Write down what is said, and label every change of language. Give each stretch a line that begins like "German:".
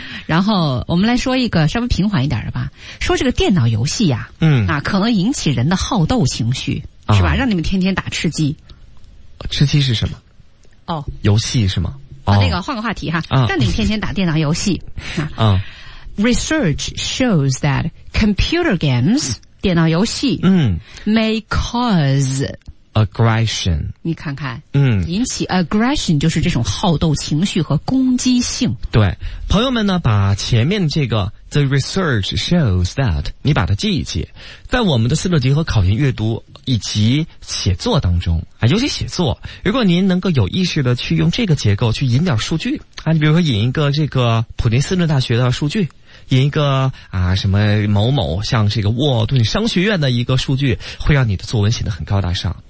Chinese: 然后我们来说一个稍微平缓一点的吧，说这个电脑游戏呀、啊，嗯，啊，可能引起人的好斗情绪，啊、是吧？让你们天天打吃鸡，吃鸡是什么？哦，游戏是吗？哦，那个换个话题哈，让你们天天打电脑游戏。啊
English: ，Research shows that computer games
Chinese: 电脑游戏，嗯
English: ，may cause aggression。
Chinese: 你看看，嗯，引起 aggression 就是这种好斗情绪和攻击性。对。朋友们呢，把前面这个
English: the research shows that
Chinese: 你把它记一记，在我们的思乐集和考研阅读以及写作当中啊，尤其写作，如果您能够有意识的去用这个结构去引点数据啊，你比如说引一个这个普林斯顿大学的数据，引一个啊什么某某像这个沃顿商学院的一个数据，会让你的作文显得很高大上。